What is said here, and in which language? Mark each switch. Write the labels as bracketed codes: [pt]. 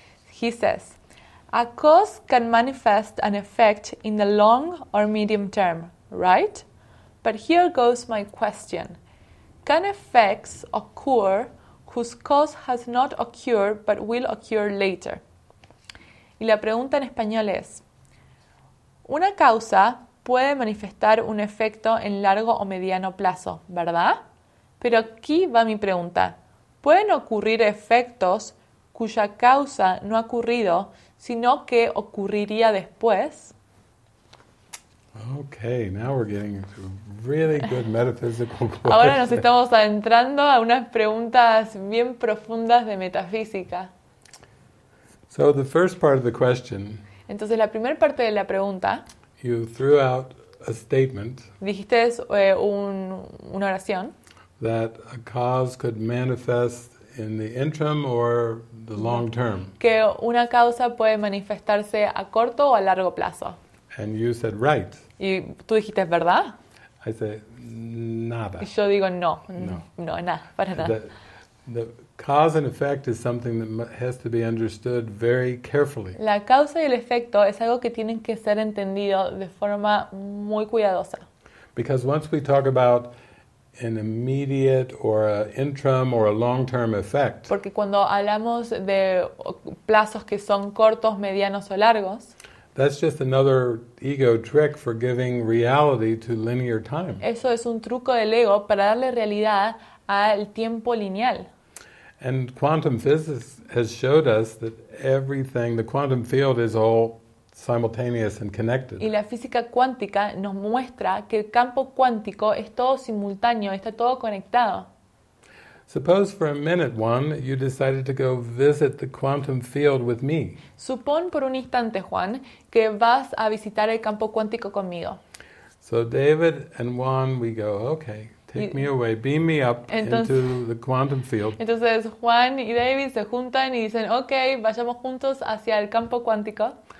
[en] He says, a cause can manifest an effect in the long or medium term, right? But here goes my question. Can effects occur whose cause has not occurred but will occur later? [es] Y la pregunta en español es, una causa puede manifestar un efecto en largo o mediano plazo, ¿verdad? Pero aquí va mi pregunta. ¿Pueden ocurrir efectos cuya causa no ha ocurrido, sino que ocurriría después? [en] Okay, now we're getting into really good metaphysical questions. [es] Ahora nos estamos adentrando a unas preguntas bien profundas de metafísica. [en] So the first part of the question. [es] Entonces la primera parte de la pregunta. [en] You threw out a statement. [es] Dijiste una oración. [en] That a cause could manifest in the interim or the long term. [es] Que una causa puede manifestarse a corto o a largo plazo. [en] And you said right. [es] Y tú dijiste verdad. [en] I said nada. [es] Y yo digo no. No, nada, para nada. [en] The cause and effect is something that has to be understood very carefully. [es] La causa y el efecto es algo que tienen que ser entendido de forma muy cuidadosa. [en] Because once we talk about an immediate or an interim or a long-term effect. [es] Porque cuando hablamos de plazos que son cortos, medianos o largos. [en] That's just another ego trick for giving reality to linear time. [es] Eso es un truco del ego para darle realidad al tiempo lineal. [en] And quantum physics has showed us that everything, the quantum field is all simultaneous and connected. [es] Y la física cuántica nos muestra que el campo cuántico es todo simultáneo, está todo conectado. [en] Suppose for a minute, Juan, you decided to go visit the quantum field with me. [es] Supón por un instante, Juan, que vas a visitar el campo cuántico conmigo. [en] So David and Juan, we go, okay, take me away, beam me up into the quantum field. [es] Entonces Juan y David se juntan y dicen, okay, vayamos juntos hacia el campo cuántico.